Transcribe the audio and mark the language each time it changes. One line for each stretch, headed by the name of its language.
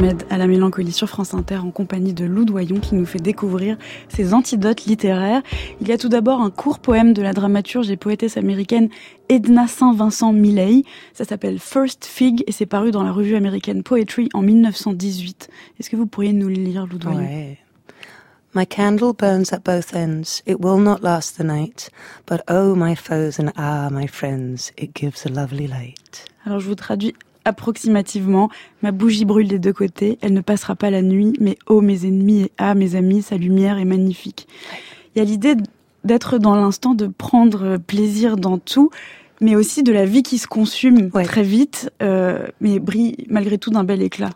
French: À la mélancolie sur France Inter en compagnie de Lou Doyon qui nous fait découvrir ses antidotes littéraires. Il y a tout d'abord un court poème de la dramaturge et poétesse américaine Edna Saint-Vincent Milley. Ça s'appelle First Fig et c'est paru dans la revue américaine Poetry en 1918. Est-ce que vous pourriez nous le lire, Lou Doyon ? Ouais.
English: My candle burns at both ends. It will not last the night. But oh my foes and ah my friends, it gives a lovely light.
French: Alors je vous traduis. Approximativement, ma bougie brûle des deux côtés, elle ne passera pas la nuit, mais ô mes ennemis et ah mes amis, sa lumière est magnifique. Il y a l'idée d'être dans l'instant, de prendre plaisir dans tout, mais aussi de la vie qui se consume très vite, mais brille malgré tout d'un bel éclat.